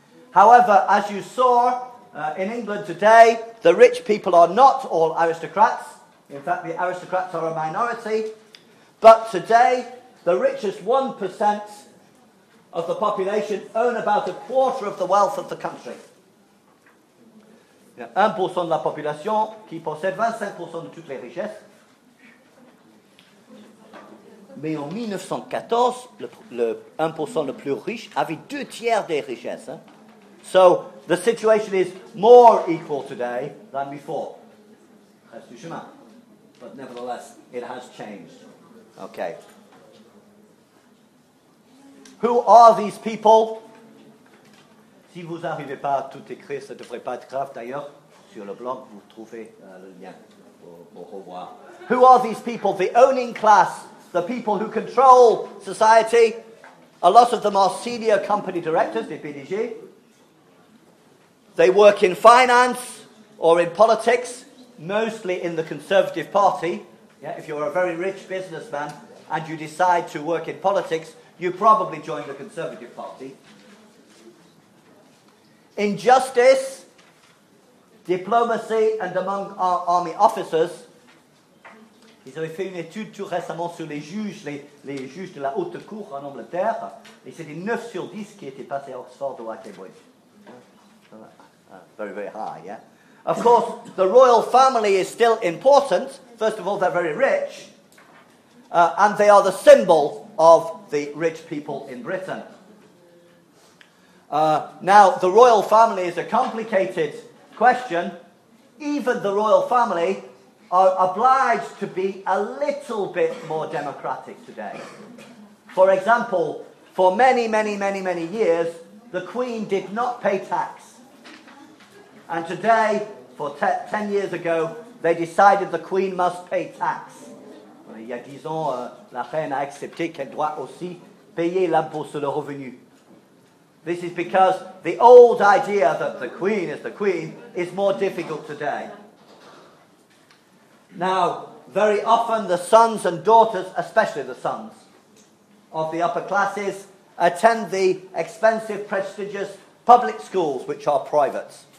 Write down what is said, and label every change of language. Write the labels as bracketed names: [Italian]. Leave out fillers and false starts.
[English] However, as you saw, in England today, the rich people are not all aristocrats. In fact, the aristocrats are a minority. But today, the richest 1% of the population own about a quarter of the wealth of the country. [French] 1% de la population qui possède 25% de toutes les richesses. Mais en 1914, le 1% le plus riche avait deux tiers des richesses. Hein? [English] So, the situation is more equal today than before. [French] Reste du chemin. [English] But nevertheless, it has changed. Okay. Who are these people? [French] Si vous n'arrivez pas à tout écrire, ça ne devrait pas être grave. D'ailleurs, sur le blog, vous trouvez le lien pour revoir. [English] Who are these people? The owning class. The people who control society, a lot of them are senior company directors, the PDG. They work in finance or in politics, mostly in the Conservative Party. Yeah, if you're a very rich businessman and you decide to work in politics, you probably join the Conservative Party. In justice, diplomacy, and among our army officers, [French] ils avaient fait une étude tout récemment sur les juges de la haute cour en Angleterre. Et c'était 9 sur 10 qui étaient passés à Oxford ou à Cambridge. [English] Very, very high, yeah? Of course, the royal family is still important. First of all, they're very rich. And they are the symbol of the rich people in Britain. Now, the royal family is a complicated question. Even the royal family are obliged to be a little bit more democratic today. For example, for many, many, many, many years, the Queen did not pay tax. And today, for 10 years ago, they decided the Queen must pay tax. [French] Il y a 10 ans, la reine a accepté qu'elle doit aussi payer l'impôt sur le revenu. [English] This is because the old idea that the Queen is the Queen is more difficult today. Now, very often the sons and daughters, especially the sons of the upper classes, attend the expensive, prestigious public schools, which are private.